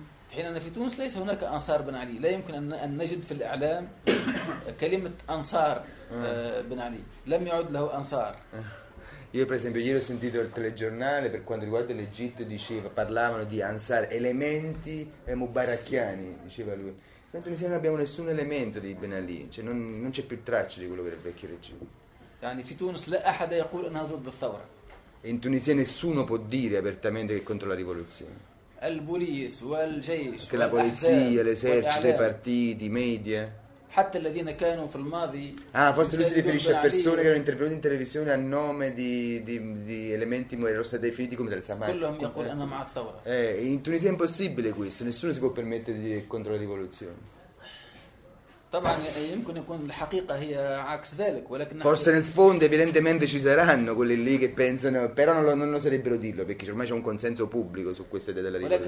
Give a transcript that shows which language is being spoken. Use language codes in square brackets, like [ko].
[ar] حين أنا في تونس ليس هناك أنصار بن علي، لا يمكن أن نجد في الإعلام كلمة أنصار بن علي، لم يعد له أنصار. [it] Io per esempio ieri ho sentito il telegiornale per quanto riguarda l'Egitto diceva parlavano di Ansar elementi mubarakiani diceva lui. In Tunisia non abbiamo nessun elemento di Ben Ali, cioè non c'è più traccia di quello che era il vecchio regime. [ar] يعني في تونس لا أحد يقول أنه ضد الثورة. [it] In Tunisia nessuno può dire apertamente che è contro la rivoluzione. [ar] البوليس والجيش [it] che la polizia, l'esercito, i partiti, i media. [ar] حتى الذين كانوا في الماضي [it] forse lui si riferisce a persone che erano intervenute in televisione a nome di elementi moderati definiti come del Samar. In Tunisia è impossibile questo, nessuno si può permettere di dire contro la rivoluzione. [ar] طبعا يمكن يكون الحقيقة هي عكس ذلك ولكن [it] forse nel fondo evidentemente ci saranno quelli lì che pensano però non oserebbero dirlo perché ormai c'è un consenso pubblico su questa idea della rivoluzione.